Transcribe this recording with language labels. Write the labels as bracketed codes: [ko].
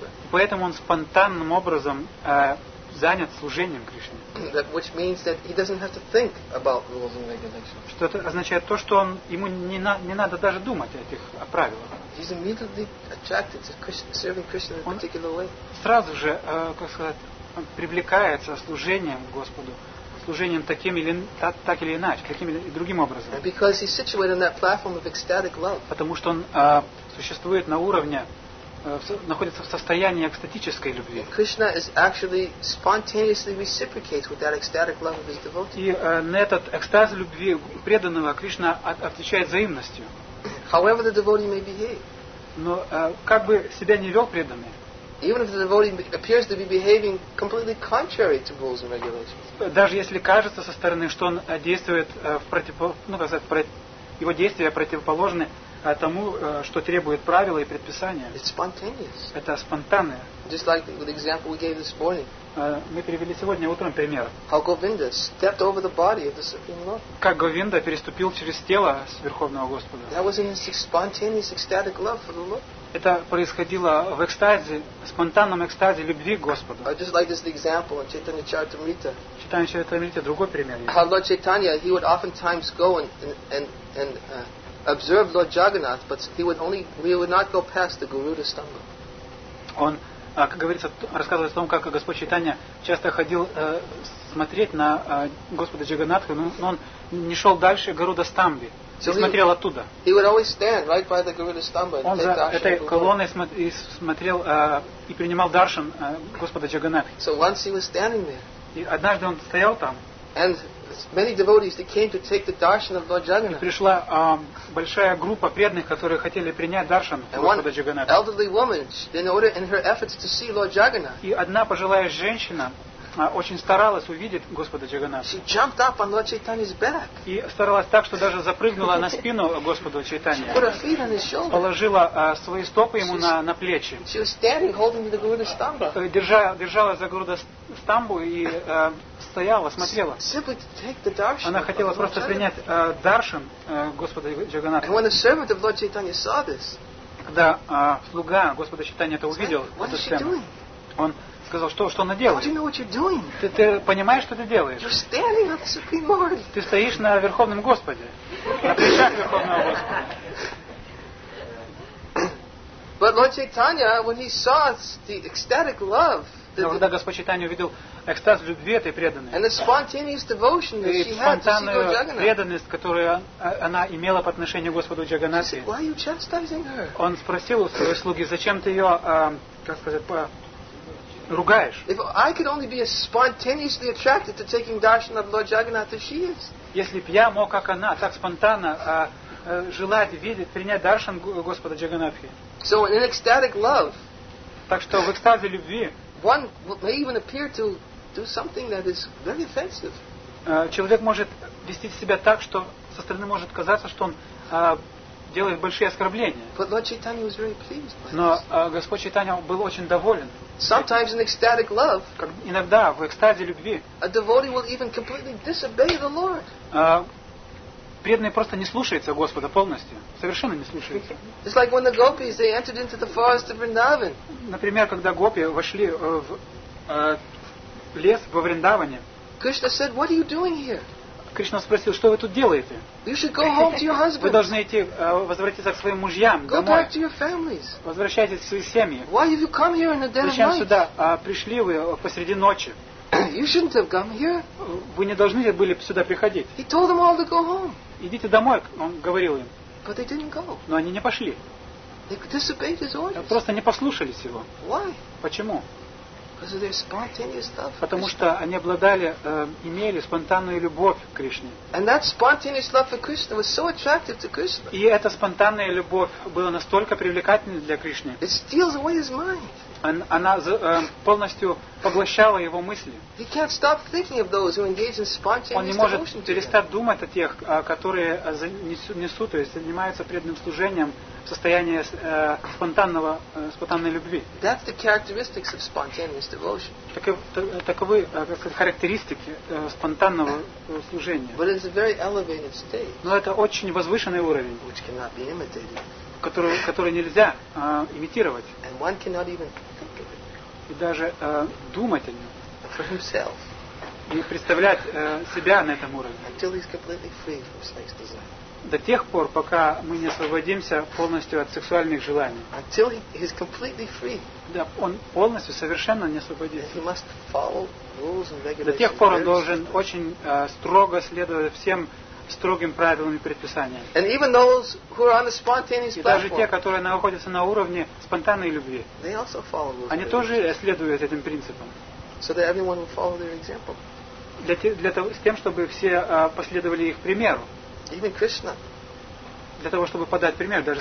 [ru] Поэтому он спонтанным образом занят служением Кришне. [en] That which means that he doesn't have to think about rules and regulations. [ru] Что это означает? То, что он ему не надо даже думать о этих правилах. [en] He's immediately attracted to Krishna, serving Krishna in a particular way. [ru] Сразу же, как сказать, привлекается служением Господу, служением таким или так или иначе, каким или другим образом. [en] And because he's situated on that platform of ecstatic love. [ru] Потому что он существует на уровне, находится в состоянии экстатической любви. [en] Krishna is actually spontaneously reciprocates with that ecstatic love of his devotee. [ru] И на этот экстаз любви преданного Кришна отвечает взаимностью. [en] However the devotee may behave. [ru] Но как бы себя не вел преданный. [en] Even if the devotee appears to be behaving completely contrary to rules and regulations. [ru] Даже если кажется со стороны, что он действует в его действия противоположны тому, что требует правила и предписания. [en] It's spontaneous. [ru] Это спонтанное. [en] Just like the example we gave this morning. [ru] Мы привели сегодня утром пример. [en] How Govinda stepped over the body of the Supreme Lord. [ru] Как Говинда переступил через тело Верховного Господа. [en] That was in his spontaneous ecstatic love for the Lord. [ru] Это происходило в экстазе, спонтанном экстазе любви к Господу. [en] I just like this example in Chaitanya Charitamrita. [ru] Читание Чайтамрита другой пример. [en] How Lord Chaitanya, he would oftentimes go and observe Lord Jagannath, but he would not go past the Garuda Stambha. [ru] Он, как говорится, рассказывает о том, как Господь Чайтанья часто ходил смотреть на Господа Джаганнатху, но он не шел дальше Гаруда Стамбы, смотрел оттуда. [en] He would always stand right by the Garuda Stambha. [ru] Он за этой колонной смотрел и принимал даршан Господа Джаганнатху. [en] So once he was standing there. [ru] И однажды он стоял там. [en] And many devotees that came to take the darshan of Lord Jagannath. [ru] Пришла большая группа преданных, которые хотели принять даршан Господа Джаганнатха. [en] An elderly woman, in her efforts to see Lord Jagannath. [ru] И одна пожилая женщина очень старалась увидеть Господа Джаганнатха. [en] She jumped up on Lord Chaitanya's back. [ru] И старалась так, что даже запрыгнула на спину Господу Чайтанье. [en] Put her feet on his shoulder. [ru] Положила свои стопы ему на плечи. [en] She was standing, holding the Garuda Stambha. [ru] Держала за Garuda Stambha и стояла, смотрела. [en] Simply to take the darshan. [ru] Она хотела просто принять даршан Господа Джаганнатха. [en] And when the servant of Lord Chaitanya saw this, [ru] когда слуга Господа Чайтанья это увидел, [en] what is she doing? [ru] Он сказал, что она делает? [en] You know, [ru] ты понимаешь, что ты делаешь? [en] You're standing on the Supreme Lord. [ru] Ты стоишь на Верховном Господе, на плечах Верховного Господа. [en] But Lord Chaitanya, when he saw the ecstatic love, [ru] когда Господь Чайтанья увидел экстаз любви этой преданной, [en] and the spontaneous devotion that she had to see Lord Jagannath, [ru] и спонтанную преданность, которую она имела по отношению к Господу Джаганнатхе, [en] why are you chastising her? [ru] Он спросил у своей слуги, зачем ты ее, как сказать, по ругаешь. [en] If I could only be spontaneously attracted to taking darshan of Lord Jagannath as she is. [ru] Если б я мог, как она, так спонтанно желать видеть, принять даршан Господа Джаганнатхи. [en] So in ecstatic love. [ru] Так что в экстазе любви. [en] one may even appear to do something that is very offensive. [ru] Человек может вести себя так, что со стороны может казаться, что он делает большие оскорбления. [en] But Lord Chaitanya was very pleased by this. [ru] Но Господь Чайтанья был очень доволен. [en] Sometimes in ecstatic love, [ru] иногда в экстазе любви, [en] a devotee will even completely disobey the Lord. [ru] Преданный просто не слушается Господа полностью. Совершенно не слушается. [en] It's like when the gopis, they entered into the forest of Vrindavan. [ru] Например, когда гопи вошли в лес во Вриндаване. [en] Krishna said, what are you doing here? [ru] Кришна спросил, что вы тут делаете? [en] You should go home to your husband. [ru] Вы должны идти возвратиться к своим мужьям [en] go [ru] домой. [en] Back to your families. [ru] Возвращайтесь в свои семьи. [en] Why have you come here in the dead [ru] зачем [en] of night? [ru] Сюда пришли вы посреди ночи? [en] You shouldn't have come here. [ru] Вы не должны были сюда приходить. [en] He told them all to go home. [ru] Идите домой, он говорил им. [en] But they didn't go. [ru] Но они не пошли. [en] They disobeyed his orders. [ru] Просто не послушались его. [en] Why? [ru] Почему? [en] Because of their spontaneous love. [ru] Потому что они обладали, имели спонтанную любовь к Кришне. [en] And that spontaneous love for Krishna was so attractive to Krishna. [ru] И эта спонтанная любовь была настолько привлекательной для Кришны. [en] It steals away his mind. [ru] Она полностью поглощала его мысли. [en] He can't stop thinking of those who engage in spontaneous. [ru] Он не может перестать думать о тех, которые несут, то есть занимаются преданным служением в состоянии спонтанной любви. [en] That's the characteristics of spontaneous devotion. [ru] Таковы характеристики спонтанного служения. [en] But it's a very elevated state. [ru] Но это очень возвышенный уровень. [en] Which cannot be imitated. [ru] Который нельзя имитировать. [en] And one cannot even think of it. [ru] И даже думать о нем. [en] For himself. [ru] И представлять себя на этом уровне. [en] Until he's completely free from sex desire. [ru] До тех пор, пока мы не освободимся полностью от сексуальных желаний. [en] Until he is completely free. [ru] Да, он полностью, совершенно не освободится. [en] And he must follow rules and regulations. [ru] До тех пор он должен очень строго следовать всем строгим правилами предписания. [en] And even those who are on the spontaneous platform, [ru] и даже те, которые находятся на уровне спонтанной любви, [en] they also follow those [ru] они тоже следуют этим принципам. [en] So that everyone will follow their example. [ru] С тем, чтобы все последовали их примеру. [en] Even Krishna. [ru] Для того, чтобы подать пример, даже